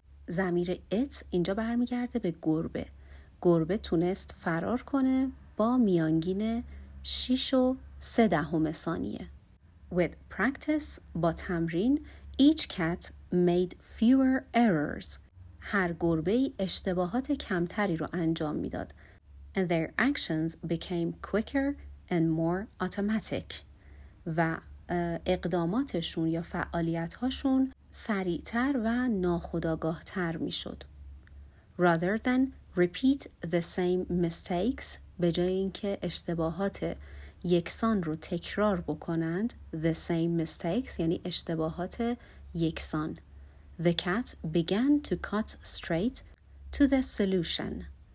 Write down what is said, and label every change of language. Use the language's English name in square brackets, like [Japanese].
[Persian] ضمیر it اینجا برمیگرده به گربه. گربه تونست فرار کنه با میانگین 6.3 ثانیه. [English] With practice, [Persian] با تمرین, [English] each cat made fewer errors. [Persian] هر گربه ای اشتباهات کمتری رو انجام میداد. [English] And their actions became quicker and more automatic. [Persian] و اقداماتشون یا فعالیت‌هاشون سریع‌تر و ناخودآگاه‌تر می‌شد. [English] Rather than repeat the same mistakes, [Persian] به جای اینکه اشتباهات یکسان رو تکرار بکنند, [English] the same mistakes [Persian] یعنی اشتباهات یکسان. [English] The cat began to cut straight to the solution.